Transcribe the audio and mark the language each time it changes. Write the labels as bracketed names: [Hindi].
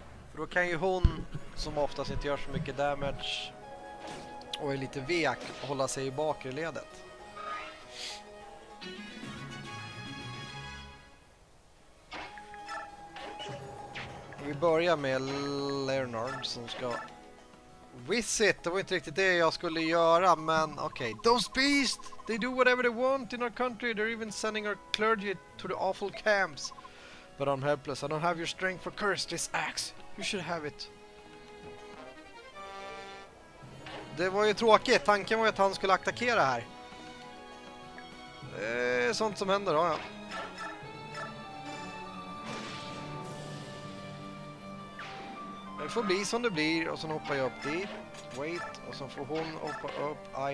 [Swedish] För då kan ju hon, som oftast inte gör så mycket damage och är lite vek, hålla sig i bakre ledet. Vi börjar med Leonard som ska Visit, det var inte riktigt det jag skulle göra, men okej. [English] Okay. Those beasts, they do whatever they want in our country. They're even sending our clergy to the awful camps. But I'm helpless. I don't have your strength for curse this axe. You should have it. [Swedish] Det var ju tråkigt. Tanken var ju att han skulle attackera här. Det är sånt som händer, ja. Det får bli som det blir och sen hoppar jag upp dit. Wait, och sen får hon hoppa upp.